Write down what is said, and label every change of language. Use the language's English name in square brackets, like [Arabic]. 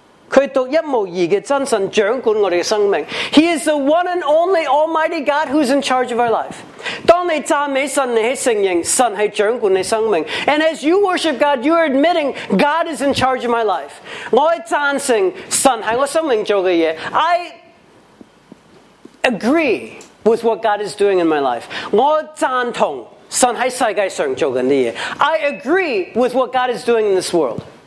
[Chinese] 祂独一无二的真神掌管我们的生命. [English] He is the one and only Almighty God who's in charge of our life. [Chinese] 当你赞美神,你承认神是掌管你的生命. [English] And as you worship God, you are admitting God is in charge of my life. [Chinese] 我赞成神是我生命做的事. [English] I agree with what God is doing in my life. [Chinese] 我赞同神在世界上做的事. [English] I agree with what God is doing in this world.